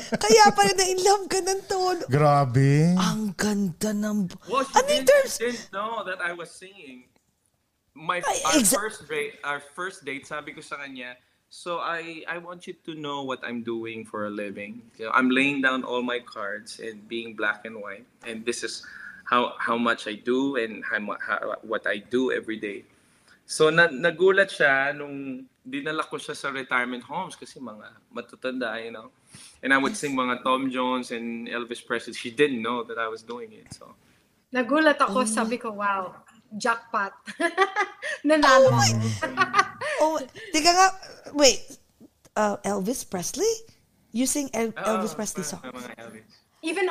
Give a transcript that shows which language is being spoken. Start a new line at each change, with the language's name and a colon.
Filipino: Kaya pala na in love ka ng tono. Grabe. Ang ganda ng...
English: Well, she didn't know that I was singing. Our first date,
Filipino: sabi ko sa kanya,
English: so I want you to know what I'm doing for a living. You know, I'm laying down all my cards and being black and white. And this is how much I do and what I do every day.
Filipino: So nagulat siya nung dinala ko siya sa retirement homes kasi mga matutanda,
English: you know. And I would sing mga Tom Jones and Elvis Presley. She didn't know that I was doing it. So
Filipino: nagulat ako, sabi ko, wow, jackpot. Nanalo.
English: Oh, my. Oh,
Filipino: tika nga,
English: wait, Elvis Presley? You sing Elvis Presley song? Elvis. Even